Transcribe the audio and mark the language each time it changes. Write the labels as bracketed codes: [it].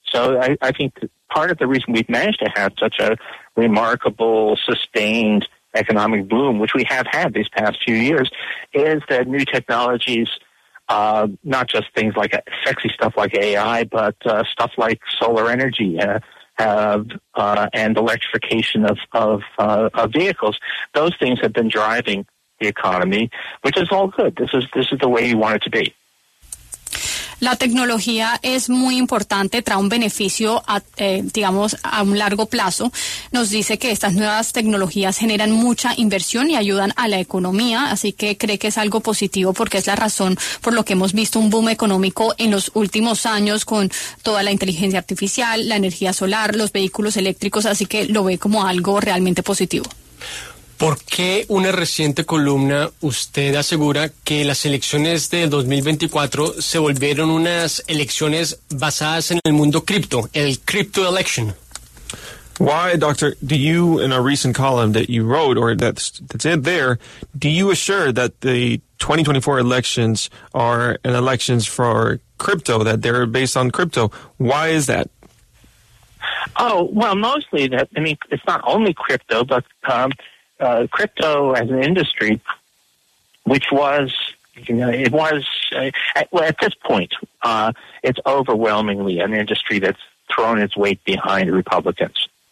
[en] So I think part of the reason we've managed to have such a remarkable, sustained economic boom, which we have had these past few years, is that new technologies, not just things like sexy stuff like AI, but stuff like solar energy and electrification of vehicles. Those things have been driving the economy, which is all good. This is the way you want it to be. [es] La tecnología es muy importante, trae un beneficio a un largo plazo. Nos dice que estas nuevas tecnologías generan mucha inversión y ayudan a la economía, así que cree que es algo positivo porque es la razón por lo que hemos visto un boom económico en los últimos años con toda la inteligencia artificial, la energía solar, los vehículos eléctricos, así que lo ve como algo realmente positivo. ¿Por qué una reciente columna usted asegura que las elecciones de 2024 se volvieron unas elecciones basadas en el mundo cripto, el [en] crypto election? Why, doctor, do you, in a recent column that you wrote or that's in there, do you assure that the 2024 elections are an elections for crypto, that they're based on crypto? Why is that? Oh, well, mostly, it's not only crypto, but crypto as an industry, which was, you know, it was at this point, it's overwhelmingly an industry that's thrown its weight behind Republicans.